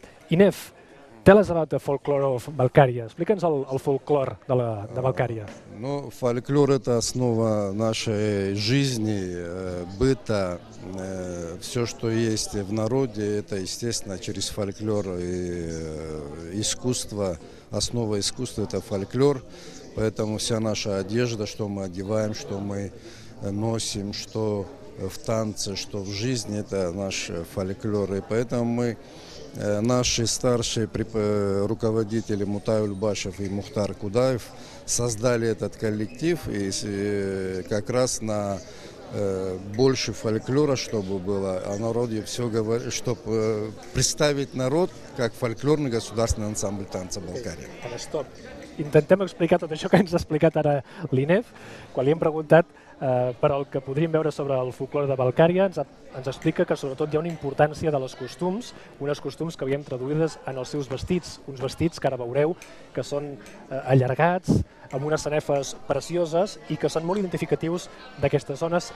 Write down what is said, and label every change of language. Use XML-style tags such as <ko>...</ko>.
<en>Inef, tell us about the folklore of Balkaria.</en> <ca>Explica'ns el folklore de Balkaria.</ca> <ru>Ну, фольклор – это основа нашей жизни, быта, все, что есть в народе, это, естественно, через фольклор и искусство, основа искусства – это фольклор, поэтому вся наша одежда, что мы одеваем, что мы носим, что в танце, что в жизни – это наш фольклор, и поэтому мы… Наши старшие руководители Мутай Ульбашев и Мухтар Кудаев создали этот коллектив и как раз на больше фольклора, чтобы было, о народе все говорит, чтобы представить народ как фольклорный государственный ансамбль танца Балкария.</ru> <ca>Intentem explicar tot això que ens ha explicat ara l'INEF. Quan li hem preguntat per el que podríem veure sobre el folclore de Balkària, ens explica que sobretot hi ha una importància de les costums, unes costums que veiem traduïdes en els seus vestits, uns vestits que ara veureu que són allargats, amb unes sanefes precioses i que són molt identificatius d'aquestes zones.</ca>